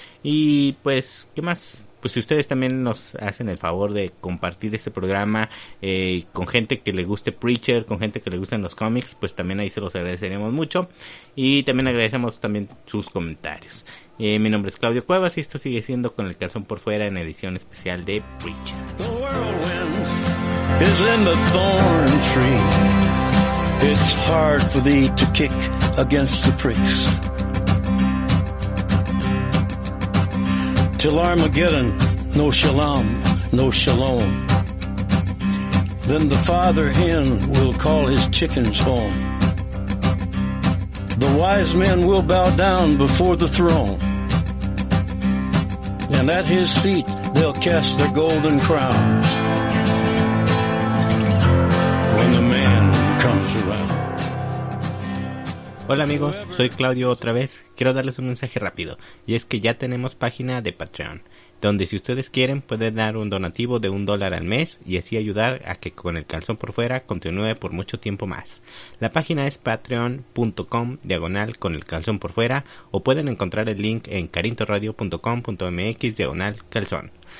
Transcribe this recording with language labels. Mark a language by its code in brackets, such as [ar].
[es] Y pues, ¿qué más? Pues si ustedes también nos hacen el favor de compartir este programa con gente que le guste Preacher, con gente que le gusten los cómics, pues también ahí se los agradeceríamos mucho. Y también agradecemos también sus comentarios. Mi nombre es Claudio Cuevas y esto sigue siendo Con el Calzón por Fuera, en edición especial de Preacher. [en] The whirlwind is in the thorn tree. It's hard for thee to kick against the pricks. Till Armageddon, no shalom, no shalom. Then the father hen will call his chickens home. The wise men will bow down before the throne. And at his feet they'll cast their golden crowns. When the man comes around. [es] Hola amigos, soy Claudio otra vez. Quiero darles un mensaje rápido, y es que ya tenemos página de Patreon, donde si ustedes quieren pueden dar un donativo de $1 al mes y así ayudar a que Con el Calzón por Fuera continúe por mucho tiempo más. La página es patreon.com/conelcalzonporfuera, o pueden encontrar el link en carintoradio.com.mx/calzón.